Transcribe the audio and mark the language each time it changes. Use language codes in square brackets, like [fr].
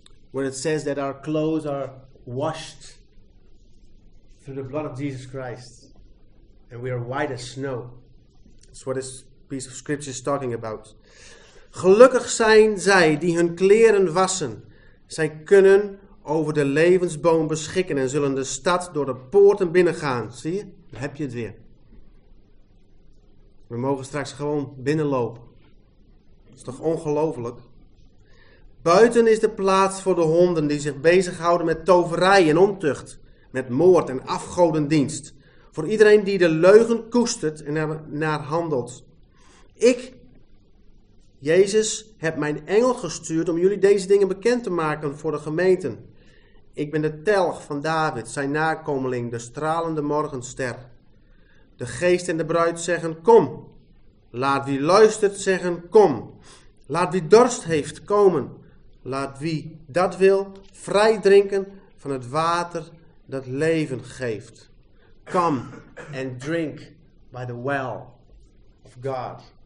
[en] Where it says that our clothes are washed through the blood of Jesus Christ. And we are white as snow. That's what this piece of scripture is talking about. [nl] Gelukkig zijn zij die hun kleren wassen. Zij kunnen over de levensboom beschikken en zullen de stad door de poorten binnengaan. Zie je? Dan heb je het weer. We mogen straks gewoon binnenlopen. Dat is toch ongelooflijk? Buiten is de plaats voor de honden die zich bezighouden met toverij en ontucht, met moord en afgodendienst. Voor iedereen die de leugen koestert en naar handelt. Ik, Jezus, heb mijn engel gestuurd om jullie deze dingen bekend te maken voor de gemeenten. Ik ben de telg van David, zijn nakomeling, de stralende morgenster. De geest en de bruid zeggen, kom. Laat wie luistert zeggen, kom. Laat wie dorst heeft, komen. Laat wie dat wil, vrij drinken van het water dat leven geeft. [en] Come and drink by the well of God.